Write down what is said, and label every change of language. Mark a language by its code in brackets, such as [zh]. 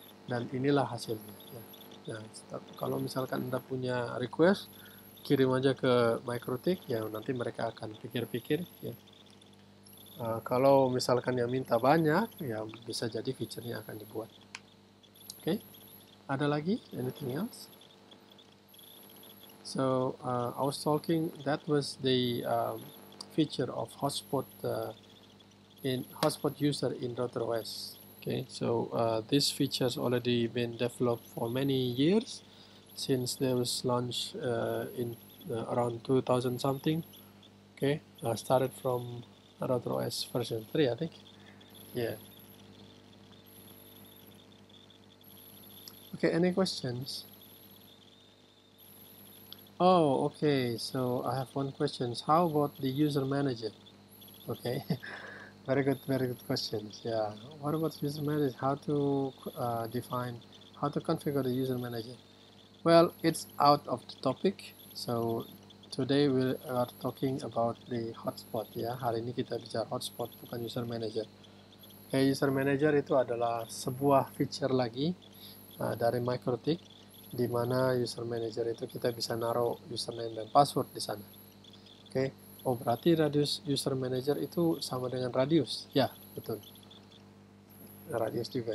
[id] Dan inilah hasilnya. Ya. Nah, kalau misalkan Anda punya request, kirim aja ke Mikrotik. Ya nanti mereka akan pikir-pikir ya. Kalau misalkan yang minta banyak, ya bisa jadi feature-nya akan dibuat. Oke, okay. Ada lagi? [en] Anything else? So, I was talking, that was the feature of hotspot in hotspot user in Router OS. Okay, so this feature has already been developed for many years, since there was launched in around 2000 something. Okay, started from Router OS version 3, I think. Yeah. Okay, any questions? Oh, okay. So I have one question. How about the user manager? Okay. very good questions. Yeah. What about user manager? How to define how to configure the user manager. Well, it's out of the topic. So today we are talking about the hotspot, ya. [id] Hari ini kita bicara hotspot, bukan user manager. Okay, user manager itu adalah sebuah feature lagi dari Mikrotik, di mana user manager itu kita bisa naruh username dan password di sana. Oke. Okay. Oh, berarti radius user manager itu sama dengan radius. Ya, betul. Radius juga.